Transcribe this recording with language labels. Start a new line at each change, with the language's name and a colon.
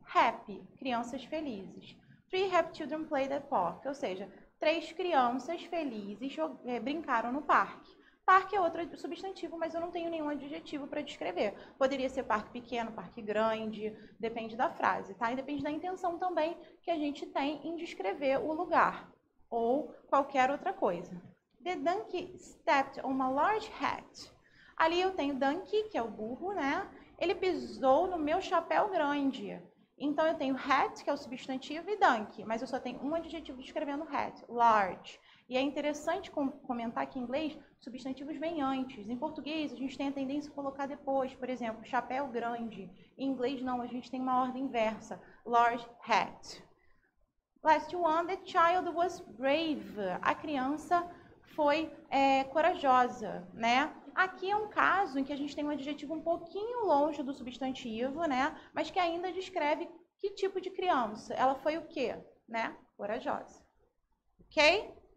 Portuguese: Happy, crianças felizes.
English: Three happy children played at park,
Portuguese: ou seja, três crianças felizes brincaram no parque. Parque é outro substantivo, mas eu não tenho nenhum adjetivo para descrever. Poderia ser parque pequeno, parque grande, depende da frase, tá? E depende da intenção também que a gente tem em descrever o lugar ou qualquer outra coisa.
English: The donkey stepped on a large hat.
Portuguese: Ali eu tenho donkey, que é o burro, né? Ele pisou no meu chapéu grande. Então eu tenho hat, que é o substantivo, e donkey. Mas eu só tenho um adjetivo descrevendo hat, large. E é interessante comentar que em inglês, substantivos vêm antes. Em português, a gente tem a tendência a colocar depois. Por exemplo, chapéu grande. Em inglês, não. A gente tem uma ordem inversa.
English: Large hat. Last one, the child was brave.
Portuguese: A criança foi corajosa, né? Aqui é um caso em que a gente tem um adjetivo um pouquinho longe do substantivo, né? Mas que ainda descreve que tipo de criança. Ela foi o quê? Né? Corajosa. Ok?